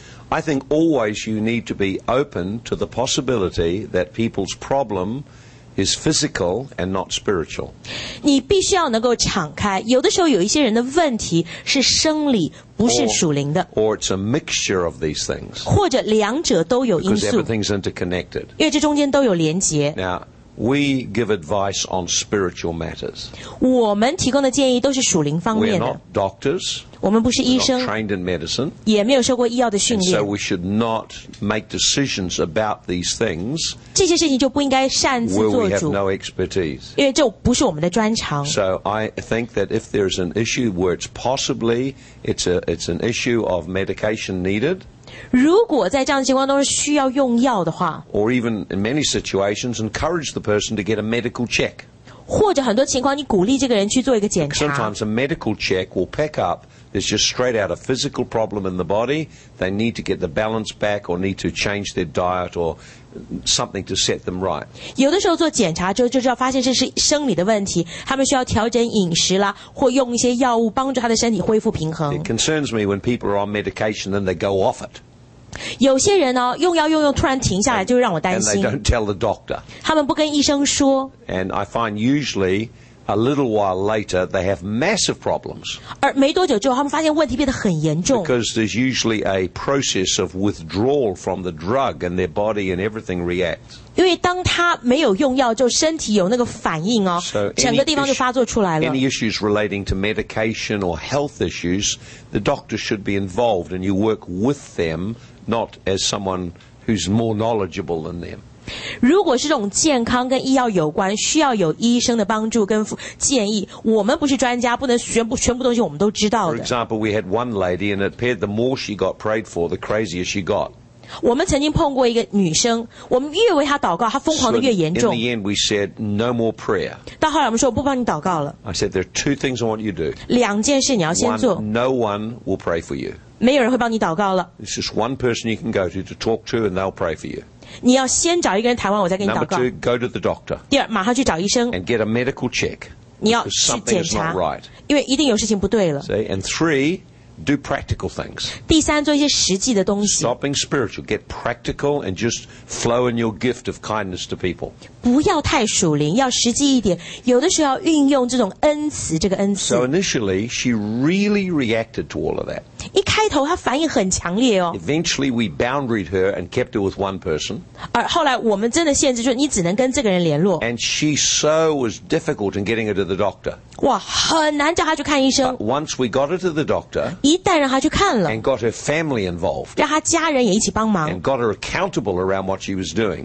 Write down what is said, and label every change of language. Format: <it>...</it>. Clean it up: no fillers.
<en>I think always you need to be open to the possibility that people's problem is physical and not spiritual.</en> <zh>你必须要能够敞开，有的时候有一些人的问题是生理，不是属灵的。</zh> <en>Or it's a mixture of these things.</en> <zh>或者两者都有因素。</zh> <en>Because everything's interconnected.</en> <zh>因为这中间都有连结。</zh> <en>Now,We give advice on spiritual matters.</en> <zh>我们提供的建议都是属灵方面的。</zh> <en>We're not doctors.</en> <zh>我们不是医生。</zh> <en>We're not trained in medicine.</en> <zh>也没有受过医药的训练。</zh> <en>And so we should not make decisions about these things.</en> <zh>这些事情就不应该擅自做主。</zh> <en>Where we have no expertise.</en> <zh>因为这不是我们的专长。</zh> <en>So I think that if there's an issue where it's possibly it's an issue of medication needed.</en> <zh>如果在这样的情况中需要用药的话</zh> <en>Or even in many situations encourage the person to get a medical check</en> <zh>或者很多情况你鼓励这个人去做一个检查</zh> <en>Sometimes a medical check will pick up There's just straight out a physical problem in the body They need to get the balance back Or need to change their diet Or something to set them right</en> <zh>有的时候做检查之后就知道发现这是生理的问题他们需要调整饮食啦或用一些药物帮助他的身体恢复平衡</zh> <en>It concerns me when people are on medication and they go off it</en> <zh>有些人哦用药用用突然停下来就让我担心</zh> <en>And they don't tell the doctor</en> <zh>他们不跟医生说</zh> <en>And I find usually a little while later they have massive problems</en> <zh>而没多久之后他们发现问题变得很严重</zh> <en>because there's usually a process of withdrawal from the drug and their body and everything reacts</en> <zh>因为当他没有用药就身体有那个反应哦、</zh> <en>so、</en> <zh>整个地方就发作出来了</zh> <en>any issues relating to medication or health issues the doctor should be involved and you work with them not as someone who's more knowledgeable than them</en> <zh>如果是这种健康跟医药有关需要有医生的帮助跟建议我们不是专家不能全部东西我们都知道的</zh> <en>For example, we had one lady and it appeared the more she got prayed for, the crazier she got</en> <zh>我们曾经碰过一个女生我们越为她祷告她疯狂的越严重</zh> <en>So in the end, we said, no more prayer</en> <zh>到后来我们说我不帮你祷告了</zh> <en>I said, there are two things I want you to do</en> <zh>两件事你要先做</zh> <en>One, no one will pray for you</en> <zh>没有人会帮你祷告了</zh> <en>There's just one person you can go to talk to and they'll pray for you</en> <zh>你要先找一个人谈完我再给你祷告</zh> <en>Number two, go to the doctor</en> <zh>第二马上去找医生</zh> <en>And get a medical check</en> <zh>你要去检查 因为一定有事情不对了</zh> <en>See? And three, do practical things</en> <zh>第三做一些实际的东西</zh> <en>Stop being spiritual, get practical and just flow in your gift of kindness to people</en> <zh>不要太属灵要实际一点有的时候要运用这种恩慈这个恩慈</zh> <en>So initially, she really reacted to all of that</en> <zh>一开头她反应很强烈哦。</zh> <en>Eventually we boundaried her and kept her with one person.</en> <zh>而后来我们真的限制说你只能跟这个人联络。</zh> <en>And she so was difficult in getting her to the doctor.</en> <zh>哇很难叫她去看医生。</zh> <en>But once we got her to the doctor.</en> <zh>一旦让她去看了。</zh> <en>And got her family involved.</en> <zh>让她家人也一起帮忙。</zh> <en>And got her accountable around what she was doing.</en>